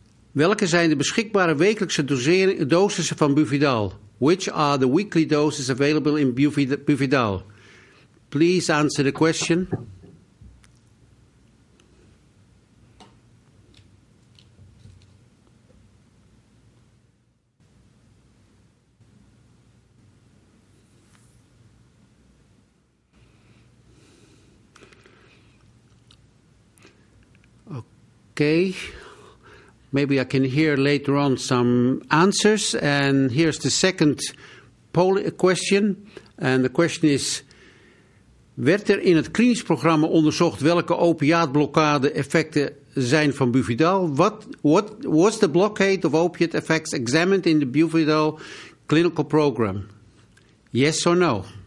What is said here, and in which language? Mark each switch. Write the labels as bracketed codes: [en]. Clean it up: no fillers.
[nl] Welke zijn de beschikbare wekelijkse dosissen van Buvidal? [en] Which are the weekly doses available in Buvidal? Please answer the question. Okay, maybe I can hear later on some answers. And here's the second poll question. [nl] And the question is, werd er in het klinisch programma onderzocht welke opiaatblokkade effecten zijn van Buvidal? [en] What was the blockade of opiate effects examined in the Buvidal clinical program? Yes or no?